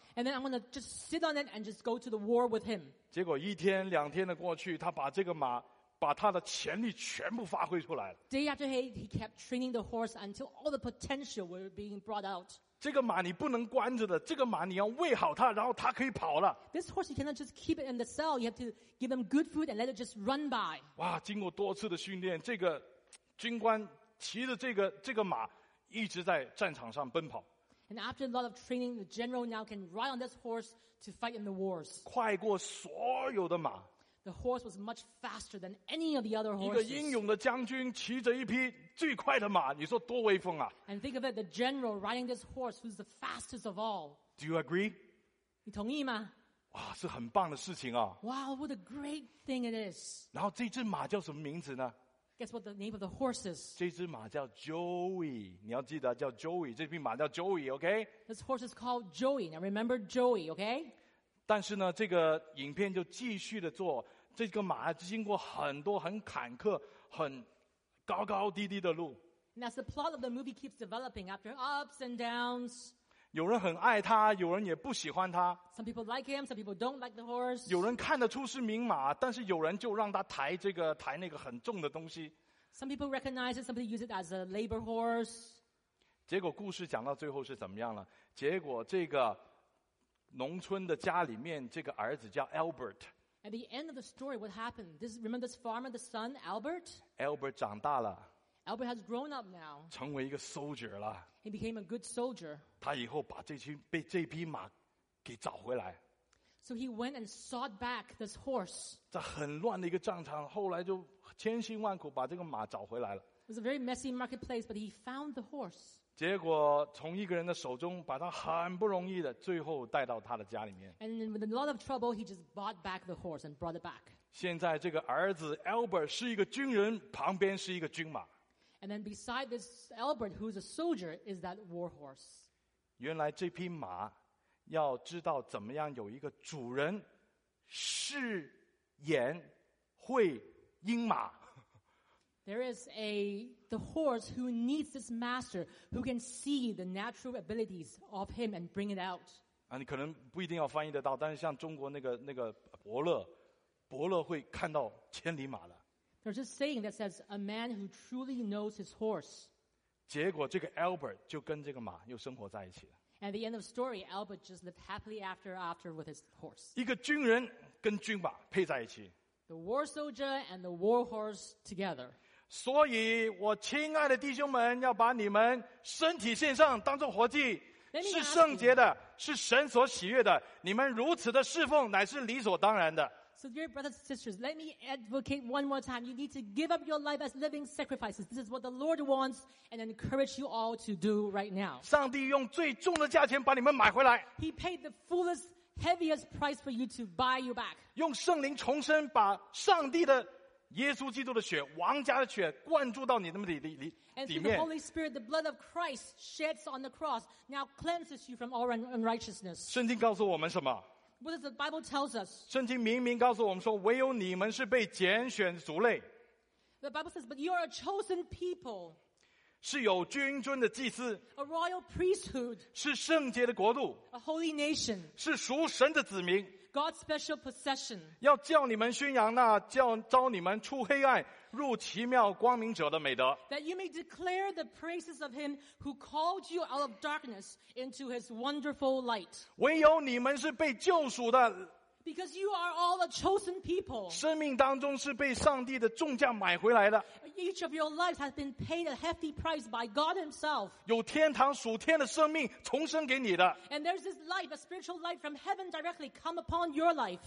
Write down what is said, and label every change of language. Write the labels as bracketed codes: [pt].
[en] And then I'm going to just sit on it and just go to the war with him. [zh] 结果一天两天的过去，他把这个马。把他的潜力全部发挥出来了。 [en] Day after day, he kept training the horse until all the potential were being brought out. [zh] 这个马你不能关着的，这个马你要喂好它，然后它可以跑了。 [en] This horse you cannot just keep it in the cell. You have to give him good food and let it just run by. [zh] 哇，经过多次的训练，这个军官骑着这个马一直在战场上奔跑。 [en] And after a lot of training, the general now can ride on this horse to fight in the wars. [zh] 快过所有的马。 [en] The horse was much faster than any of the other horses. [zh] 一个英勇的将军骑着一匹最快的马，你说多威风啊！ [en] And think of it, the general riding this horse, who's the fastest of all. Do you agree? [zh] 你同意吗？哇，是很棒的事情啊！ [en] Wow, what a great thing it is. [zh] 然后这只马叫什么名字呢？ [en] Guess what the name of the horse is? [zh] 这只马叫 Joey. 你要记得叫 Joey. 这匹马叫 Joey, okay? [en] This horse is called Joey. Now remember Joey, okay? [zh] 但是呢，这个影片就继续的做，这个马经过很多很坎坷、很高高低低的路。 [en] And as the plot of the movie keeps developing after ups and downs. [zh] 有人很爱他，有人也不喜欢他。 [en] Some people like him, some people don't like the horse. [zh] 有人看得出是名马，但是有人就让他抬这个抬那个很重的东西。 [en] Some people recognize it, some people use it as a labor horse. [zh] 结果故事讲到最后是怎么样了？结果这个。农村的家里面这个儿子叫 Albert [en] at the end of the story what happened this, remember this farmer the son Albert [zh] Albert 长大了 [en] Albert has grown up now [zh] 成为一个 soldier 了 [en] he became a good soldier [zh] 他以后把这匹马给找回来 [en] so he went and sought back this horse [zh] 在很乱的一个战场后来就千辛万苦把这个马找回来了 [en] it was a very messy marketplace but he found the horse [zh] 结果从一个人的手中把他很不容易的最后带到他的家里面。 [en] And with a lot of trouble, he just bought back the horse and brought it back. [zh] 现在这个儿子 Albert 是一个军人，旁边是一个军马。 [en] And then beside this Albert, who's a soldier, is that war horse. [zh] 原来这匹马要知道怎么样有一个主人，是眼会鹰马。 [en] There is the horse who needs this master who can see the natural abilities of him and bring it out. [zh] 啊，你可能不一定要翻译得到，但是像中国那个伯乐会看到千里马了。 [en] There's a saying that says a man who truly knows his horse. [zh] 结果这个 Albert 就跟这个马又生活在一起了。 [en] At the end of the story, Albert just lived happily after with his horse. [zh] 一个军人跟军马配在一起。 [en] The war soldier and the war horse together. [zh] 所以我亲爱的弟兄们要把你们身体献上当作活祭是圣洁的是神所喜悦的你们如此的侍奉乃是理所当然的。 [en] So dear brothers and sisters, let me advocate one more time. You need to give up your life as living sacrifices. This is what the Lord wants and encourage you all to do right now. [zh] 上帝用最重的价钱把你们买回来。 [en] He paid the fullest, heaviest price for you to buy you back. [zh] 用圣灵重生把上帝的耶稣基督的血王家的血灌注到你的里面。 [en] And through the Holy Spirit, the blood of Christ sheds on the cross now cleanses you from all unrighteousness. [zh] 圣经告诉我们什么？ [en] What does the Bible tells us? [zh] 圣经明明告诉我们说，唯有你们是被拣选族类。 [en] The Bible says, but you are a chosen people. [zh] 是有君尊的祭司。 [en] A royal priesthood. [zh] 是圣洁的国度。 [en] A holy nation. [zh] 是属神的子民。 [en] God's special possession. [zh] 要叫你们宣扬那叫召你们出黑暗入奇妙光明者的美德。 [en] That you may declare the praises of him who called you out of darkness into his wonderful light. [zh] 唯有你们是被救赎的。 [en] Because you are all a chosen people. [zh] 生命当中是被上帝的重价买回来的。 [en] Each of your lives has been paid a hefty price by God himself. [zh] 有天堂属天的生命重生给你的。 [en] And there's this life, a spiritual life from heaven directly come upon your life.